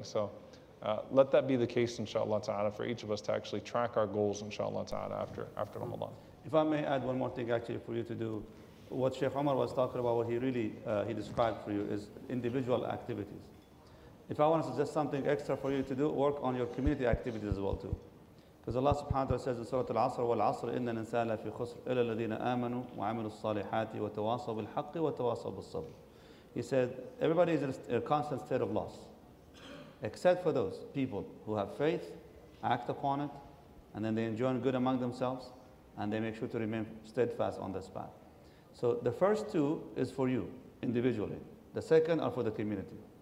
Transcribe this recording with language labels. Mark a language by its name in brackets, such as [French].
[English] So let that be the case, inshallah ta'ala, for each of us to actually track our goals, inshallah ta'ala, after Ramadan. If I may add one more thing actually for you to do. What Sheikh Omar was talking about, what he really he described for you, is individual activities. If I want to suggest something extra for you to do, work on your community activities as well too. Because Allah subhanahu wa ta'ala says in Surah Al-Asr, [Arabic] وَالْعَصْرِ إِنَّ الْإِنسَانَ لَفِي خُسْرٍ إِلَّا الَّذِينَ آمَنُوا وَعَمِلُوا الصَّالِحَاتِ وَتَوَاصَوْا بِالْحَقِّ وَتَوَاصَوْا بِالصَّبْرِ. [English] He said, everybody is in a constant state of loss, except for those people who have faith, act upon it, and then they enjoy good among themselves, and they make sure to remain steadfast on this path. So the first two is for you individually. The second are for the community.